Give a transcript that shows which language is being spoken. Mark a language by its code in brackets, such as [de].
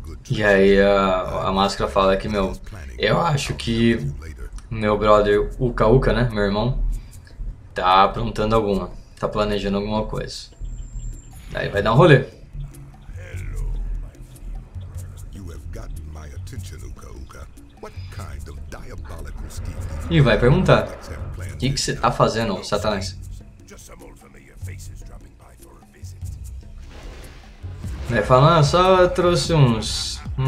[pt] E aí a máscara fala que, meu, eu acho que... meu brother Uka Uka, né? Meu irmão. Tá aprontando alguma. Tá planejando alguma coisa. Daí vai dar um rolê. [en] Hello, my friend. You have got my attention, Uka Uka. What kind of diabolical scheme? [pt] E vai perguntar. O que você tá fazendo, Satanás? [en] Just some old familiar faces dropping by for a visit. [pt] Vai falar, só trouxe uns